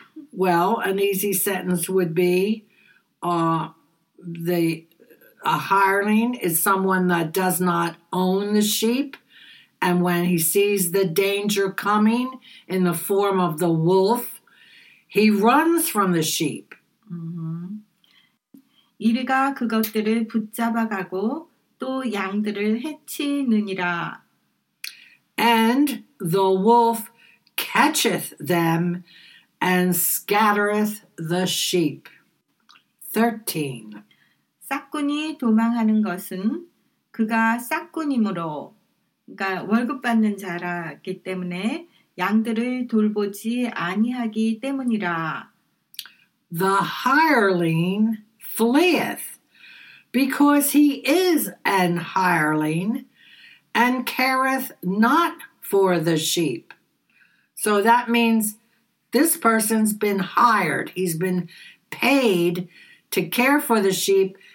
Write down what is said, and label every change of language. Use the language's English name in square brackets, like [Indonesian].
[English] Well, an easy sentence would be a hireling is someone that does not own the sheep. And when he sees the danger coming in the form of the wolf, he runs from the sheep. Mm-hmm. [Korean] 이리가 그것들을 붙잡아가고 또 양들을 해치느니라. [English] And the wolf catcheth them and scattereth the sheep. 13. [Korean] 싹군이 도망하는 것은 그가 싹군이므로, 그러니까 월급 받는 자라기 때문에 양들을 돌보지 아니하기 때문이라. [English] The hireling fleeth because he is an hireling and careth not for the sheep. So that means this person's been hired. He's been paid to care for the sheep.